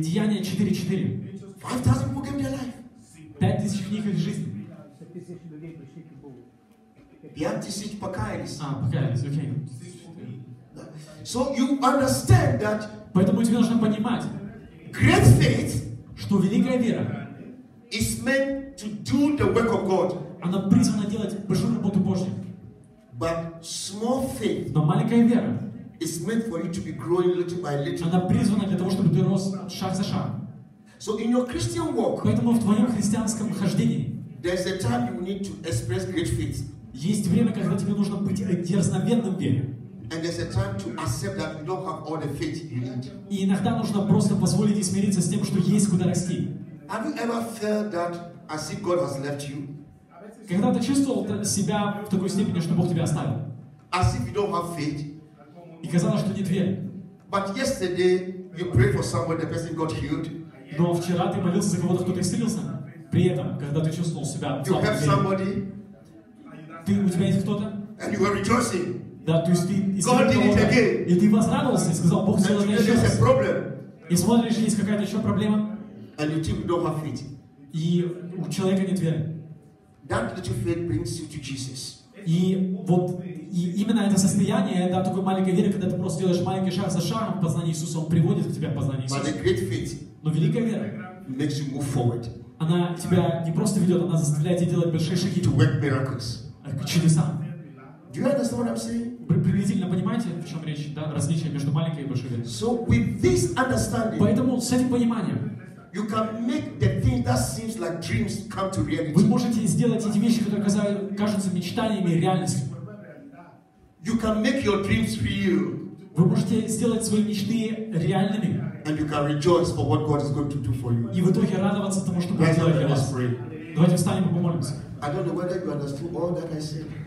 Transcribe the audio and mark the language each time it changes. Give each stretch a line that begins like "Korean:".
Russian: Деяния 4:4.
English: 5,000 people gave their life.
Russian: 5,000 них их жизнь. 5,000 покаялись. А, покаялись, okay.
English: So you understand that.
Russian: Поэтому тебе нужно понимать.
English: Great faith.
Russian: Что великая вера.
English: Is meant to do the work of God.
Russian: Она призвана делать большую работу Божью.
English: But small faith.
Russian: Но маленькая вера.
English: Is meant for you to be growing little by little.
Russian: Она призвана для того, чтобы ты рос шаг за шагом.
English: So in your Christian walk.
Russian: Поэтому в твоем христианском хождении.
English: There's a time you need to express great faith.
Russian: Есть время, когда тебе нужно быть дерзновенным в вере.
English: And there's a time to accept that you don't have all the faith you need.
Russian: И иногда нужно просто позволить и смириться с тем, что есть куда расти.
English: Have you ever felt that as if God has left you?
Russian: Когда ты чувствовал себя в такой степени, что Бог тебя оставил?
English: As if you don't have faith.
Russian: И казалось, что нет веры.
English: But yesterday you prayed for someone, the person got healed.
Russian: Но вчера ты молился за кого-то, кто-то исцелился. При этом, когда ты чувствовал себя в слабости.
English: You have somebody.
Russian: Ты у тебя есть кто-то?
English: And you are rejoicing.
Russian: Да, то есть ты исцелил и ты возрадовался и сказал, Бог сделал мне еще раз. И смотришь, есть какая-то еще проблема.
English: And you think you don't have faith.
Russian: И у человека нет веры.
English: That little faith brings you to Jesus.
Russian: И вот и именно это состояние, да, такой маленькой веры, когда ты просто делаешь маленький шаг за шагом в познании Иисуса, Он приводит к тебе в познание Иисуса. Но великая вера
English: makes you move forward.
Russian: Она тебя не просто ведет, она заставляет тебя делать большие шаги.
English: To work miracles.
Russian: К чудесам.
English: Do you understand what I'm saying?
Russian: Приблизительно понимаете, в чем речь, да, различие между маленькой и большой верой?
English: So with this understanding,
Russian: поэтому с этим пониманием
English: you can make the thing that seems like dreams come to reality.
Russian: Вы можете сделать эти вещи, которые кажутся мечтаниями, реальностью.
English: You can make your dreams real.
Russian: Вы можете сделать свои мечты реальными.
English: And you can rejoice for what God is going to do for you.
Russian: И в итоге радоваться тому, что Бог сделает для вас. Давайте встанем и помолимся.
English: I don't know whether you understood all that I said.